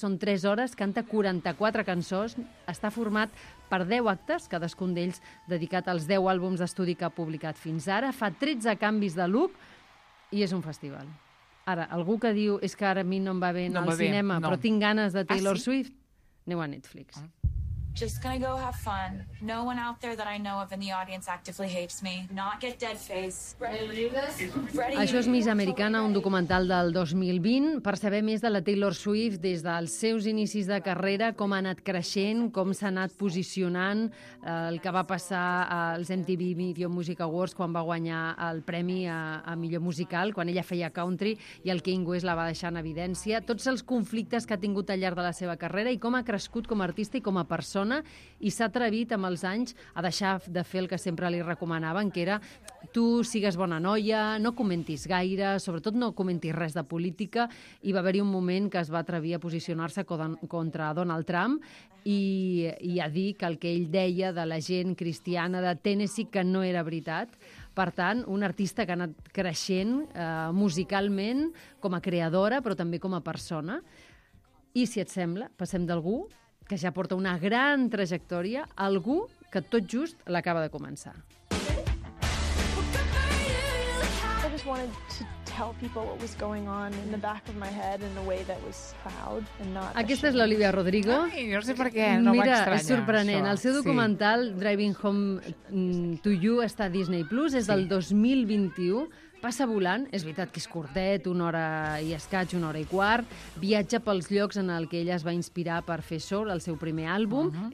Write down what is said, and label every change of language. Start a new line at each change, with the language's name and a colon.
Catalan: Són 3 hores, canta 44 cançons, està format per 10 actes, cadascun d'ells dedicat als 10 àlbums d'estudi que ha publicat fins ara, fa 13 canvis de look i és un festival. Ara, algú que diu, és que ara a mi no em va bé anar al cinema, però tinc ganes de Taylor Swift, aneu a Netflix.
English: Just gonna go have fun. No one out there that I know of in the audience actively hates me. Not get dead face. Ready?
Catalan: Això és Miss Americana, un documental del 2020, per saber més de la Taylor Swift des dels seus inicis de carrera, com ha anat creixent, com s'ha anat posicionant, el que va passar als MTV Video Music Awards quan va guanyar el premi a millor musical, quan ella feia country i el King West la va deixar en evidència, tots els conflictes que ha tingut al llarg de la seva carrera i com ha crescut com a artista i com a persona. persona i s'ha atrevit amb els anys a deixar de fer el que sempre li recomanaven, que era tu sigues bona noia, no comentis gaire, sobretot no comentis res de política, i va haver-hi un moment que es va atrevir a posicionar-se contra Donald Trump i a dir que el que ell deia de la gent cristiana de Tennessee que no era veritat. Per tant, un artista que ha anat creixent musicalment, com a creadora, però també com a persona. I, si et sembla, passem d'algú que ja porta una gran trajectòria a algú que tot just l'acaba de començar.
English: I just wanted to tell people what was going on in the back of my head in a way that was proud and not.
Catalan: Aquesta és l'Olivia Rodrigo. Ai, no sé per què, no m'estranya. Mira, és sorprenent. El seu documental, sí. Driving Home to You, està a Disney Plus, és del 2021. Passa volant, és veritat que és curtet, una hora i escaig, una hora i quart, viatja pels llocs en el que ella es va inspirar per fer Soul, el seu primer àlbum. Uh-huh.